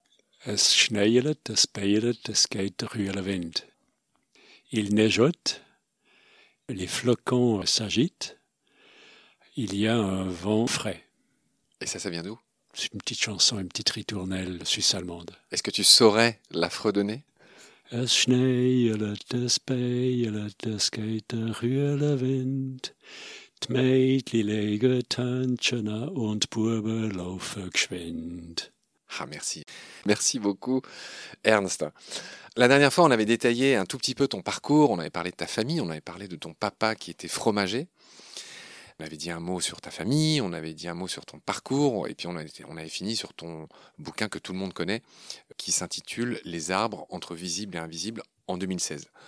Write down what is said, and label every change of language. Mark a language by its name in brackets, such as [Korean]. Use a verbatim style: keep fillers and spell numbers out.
[Swiss German] « Es schneilet, es peilet, es geht rühle Wind ». [French] Il neigeote, les flocons s'agitent, il y a un vent frais. Et ça, ça vient d'où? C'est une petite chanson, une petite ritournelle suisse-allemande. Est-ce que tu saurais la fredonner? [Swiss German] Es schneilet, es peilet, es geht rühle Wind. D'meitli lege Tantschena und Burbe laufe geschwind. [French] Ah, merci. Merci beaucoup, Ernst. La dernière fois, on avait détaillé un tout petit peu ton parcours. On avait parlé de ta famille, on avait parlé de ton papa qui était fromager. On avait dit un mot sur ta famille, on avait dit un mot sur ton parcours, et puis on avait, on avait fini sur ton bouquin que tout le monde connaît, qui s'intitule « Les arbres entre visibles et invisibles » en deux mille seize.